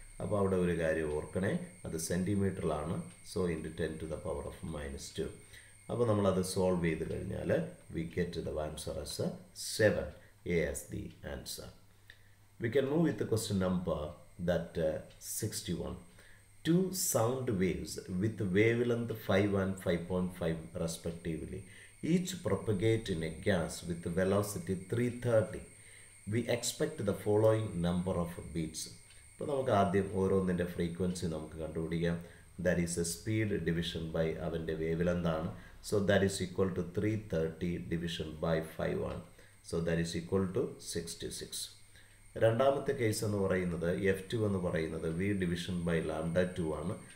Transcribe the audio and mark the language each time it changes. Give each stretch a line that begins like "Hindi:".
Malayalam: അപ്പോൾ അവിടെ ഒരു കാര്യം ഓർക്കണേ, അത് സെൻറ്റിമീറ്ററിലാണ്. So into 10⁻². അപ്പോൾ നമ്മളത് സോൾവ് ചെയ്ത് കഴിഞ്ഞാൽ
English: We get the answer as 7 as the answer. We can move with the question number that 61. Two sound waves with wavelength 5 and 5.5 respectively each propagate in a gas with velocity 330. We expect the following number of beats.
Malayalam: ഇപ്പൊ നമുക്ക് ആദ്യം ഓരോന്നിന്റെ frequency നമുക്ക് കണ്ടുപിടിക്കാം.
English: that is a speed division by
Malayalam: അവന്റെ wavelength ആണ്.
English: So that is equal to 330 division by 5 ആണ്. So that is equal to 66.
Malayalam: രണ്ടാമത്തെ case എന്ന് പറയുന്നത് F2 എന്ന് പറയുന്നത് V ഡിവിഷൻ ബൈ ലാംഡ 2 ആണ്.